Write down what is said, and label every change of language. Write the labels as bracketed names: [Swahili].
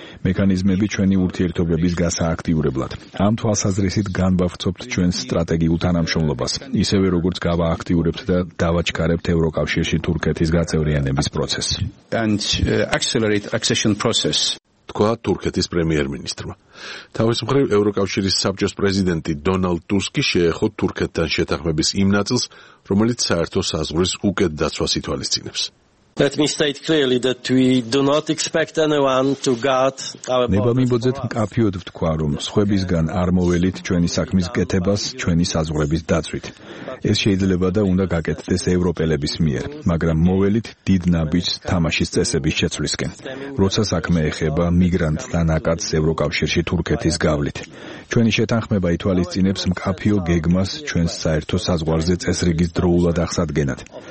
[Georgian] მექანიზმები ჩვენი ურთიერთობების გასააქტიურებლად. ამ თვალსაზრისით განვახცობთ ჩვენს სტრატეგიულ თანამშრომლობას, ისევე როგორც გავააქტიურებთ და დავაჩქარებთ ევროკავშირში თურქეთის გაწევრიანების პროცესს. თქვა თურქეთის პრემიერ-მინისტრმა. თავის მხრივ ევროკავშირის საბჭოს პრეზიდენტი დონალდ ტუსკი შეეხო თურქეთთან შეთანხმების იმ ნაწილს, რომელიც საერთო საზღვრის უკეთ დაცვას ითვალისწინებს. [English] Let me state clearly that we do not expect anyone to guard our borders. [Georgian] ნებამიბოძეთ მკაფიოდ ვთქვა, რომ სხვებისგან არ მოველით ჩვენი საქმის კეთებას, ჩვენი საზღვრების დაცვით. ეს შეიძლება და უნდა გაკეთდეს ევროპელების მიერ, მაგრამ მოველით დიდ ნაბიჯს თამაშის წესების შეცვლისკენ. როცა საქმე ეხება მიგრანტთა ნაკადს ევროკავშირში თურქეთის გავლით, ჩვენი შეთანხმება ითვალისწინებს მკაფიო გეგმას ჩვენს საერთო საზღვარზე წესრიგის დროულად აღსადგენად.